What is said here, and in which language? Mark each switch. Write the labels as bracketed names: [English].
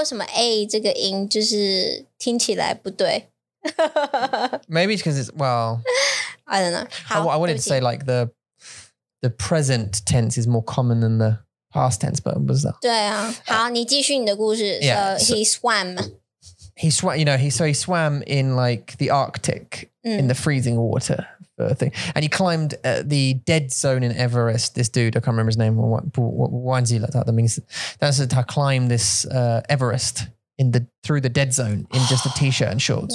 [Chinese] 我不知道为什么A这个音就是听起来不对。 [English] Maybe it's because it's, well... I don't know. I wanted to say like the present tense is more common than the past tense, but was that? [Chinese] 对啊。好,你继续你的故事. [English] So he swam. He swam, you know, he swam in like the Arctic, in the freezing water. Thing. And he climbed the dead zone in Everest. This dude, I can't remember his name. That climbed this Everest in the through the dead zone in just a t-shirt and shorts.